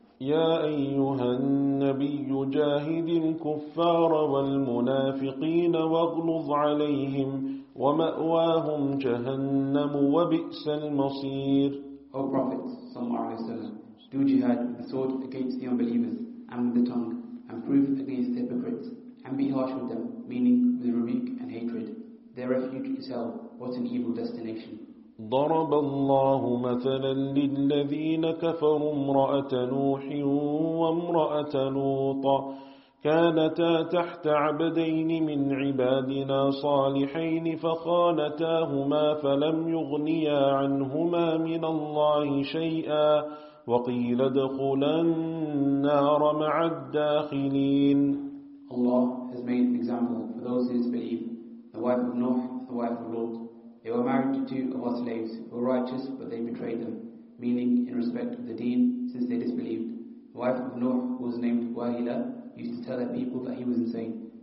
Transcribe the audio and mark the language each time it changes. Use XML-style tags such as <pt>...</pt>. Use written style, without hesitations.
<ar>يَا أَيُّهَا النَّبِيُّ جَاهِدِ الْكُفَّارَ وَالْمُنَافِقِينَ وَاغْلُظْ عَلَيْهِمْ وَمَأْوَاهُمْ جَهَنَّمُ وَبِئْسَ الْمَصِيرُ.</ar> <en>O Prophet ﷺ, do jihad with the sword against the unbelievers and with the tongue, and prove against the hypocrites, and be harsh with them, meaning with rebuke and hatred. Their refuge is hell, what an evil destination.</en> <ar>ضرب الله مثلا للذين كفروا امرأة نوح وامرأة لوط كانتا تحت عبدين من عبادنا صالحين فخانتاهما فلم يغنيا عنهما من الله شيئا وقيل ادخلا النار مع الداخلين.</ar> <en>Allah has made an example for those who disbelieve, the wife of Nuh, the wife of Lot. They were married to two of our slaves who were righteous, but they betrayed them, meaning in respect of the deen, since they disbelieved. The wife of Nuh, who was named Wahila, used to tell their people that he was insane.</en>